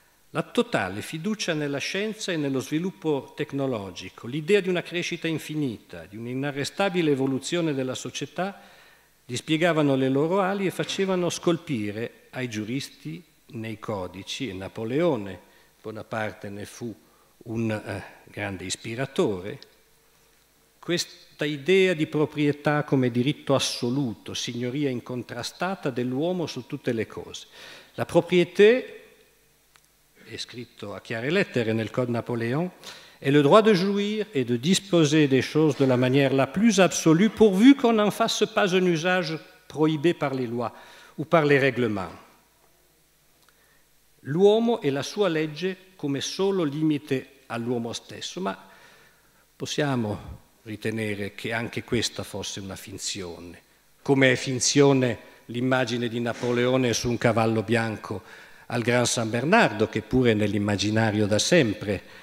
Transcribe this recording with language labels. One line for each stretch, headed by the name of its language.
Italian: La totale fiducia nella scienza e nello sviluppo tecnologico, l'idea di una crescita infinita, di un'inarrestabile evoluzione della società, dispiegavano le loro ali e facevano scolpire ai giuristi nei codici, e Napoleone Bonaparte ne fu un grande ispiratore, questa idea di proprietà come diritto assoluto, signoria incontrastata dell'uomo su tutte le cose. La proprietà, è scritto a chiare lettere nel
French: Code Napoléon, è le droit de jouir et de disposer des choses de la manière la plus absolue, pourvu qu'on n'en fasse pas un usage prohibé par les lois ou par les règlements.
Italian: L'uomo e la sua legge come solo limite all'uomo stesso, ma possiamo ritenere che anche questa fosse una finzione, come è finzione l'immagine di Napoleone su un cavallo bianco al Gran San Bernardo, che pure nell'immaginario da sempre